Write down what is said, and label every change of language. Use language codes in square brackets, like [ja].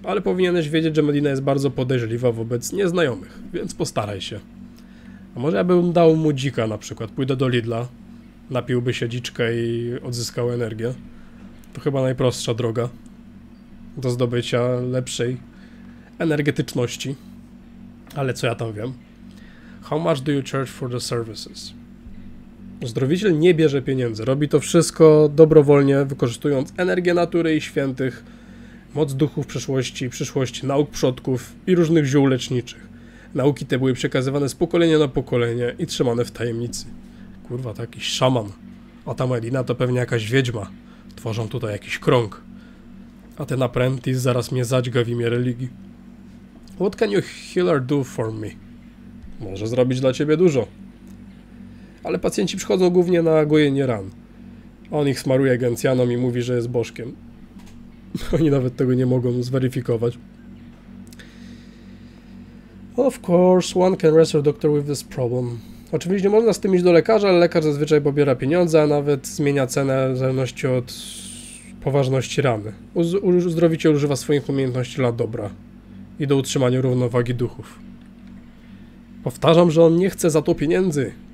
[pl] Ale powinieneś wiedzieć, że Medina jest bardzo podejrzliwa wobec nieznajomych, więc postaraj się. A może ja bym dał mu dzika na przykład, pójdę do Lidla, napiłby się dziczkę i odzyskał energię. To chyba najprostsza droga do zdobycia lepszej energetyczności. Ale co ja tam wiem? [en] How much do you charge for the services? [pl] Uzdrowiciel nie bierze pieniędzy. Robi to wszystko dobrowolnie, wykorzystując energię natury i świętych, moc duchów przeszłości i przyszłości, nauk przodków i różnych ziół leczniczych. Nauki te były przekazywane z pokolenia na pokolenie i trzymane w tajemnicy. Kurwa, to jakiś szaman. A ta Medina to pewnie jakaś wiedźma. Tworzą tutaj jakiś krąg. A ten apprentice zaraz mnie zadźga w imię religii. [en] What can your healer do for me? [pl] Może zrobić dla ciebie dużo. Ale pacjenci przychodzą głównie na gojenie ran. On ich smaruje gencjanom i mówi, że jest bożkiem. Oni nawet tego nie mogą zweryfikować. [en] Of course, one can rest a doctor with this problem. [pl] Oczywiście można z tym iść do lekarza, ale lekarz zazwyczaj pobiera pieniądze, a nawet zmienia cenę w zależności od poważności rany. Uzdrowiciel używa swoich umiejętności dla dobra i do utrzymania równowagi duchów. Powtarzam, że on nie chce za to pieniędzy.